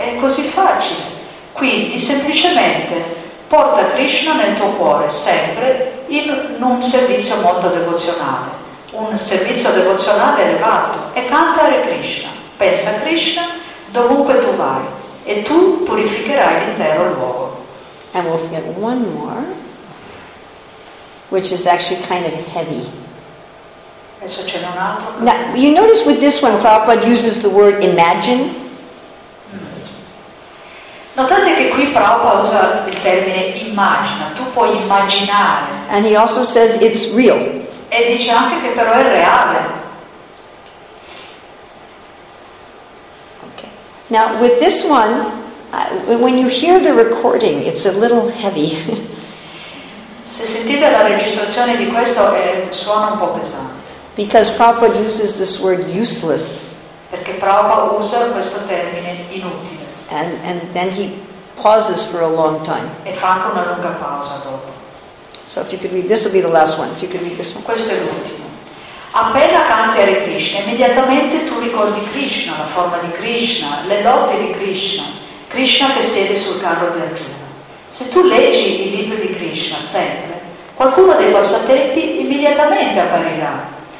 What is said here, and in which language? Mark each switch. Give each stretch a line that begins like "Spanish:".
English: È così facile. Quindi semplicemente porta Krishna nel tuo cuore, sempre, in un servizio molto devozionale. un servizio devozionale elevato e canta Hare Krishna, pensa a Krishna dovunque tu vai e tu purificherai l'intero luogo. And we'll forget one more, which is actually kind of heavy.
Italian: Adesso c'è un altro.
English: Now, you notice with this one, Prabhupada uses the word imagine.
Italian: Notate che qui Prabhupada usa il termine immagina, tu puoi immaginare.
English: And he also says it's real.
Italian: E dice anche che però è reale.
English: Okay. Now, with this one, when you hear the recording, it's a little heavy.
Italian: Se sentite la registrazione di questo, suona un po' pesante.
English: Because Prabhupada uses this word useless.
Italian: Perché Prabhupada usa questo termine inutile.
English: And then he pauses for a long time.
Italian: E fa anche una lunga pausa dopo.
English: So if you could read, this will be the last one. If you could read this one.
Italian: Questo è l'ultimo. Appena canti Hare Krishna, immediatamente tu ricordi Krishna, la forma di Krishna, le lotte di Krishna, Krishna che siede sul carro di Arjuna. Se tu leggi i libri di Krishna sempre, qualcuno dei passatempi immediatamente apparirà.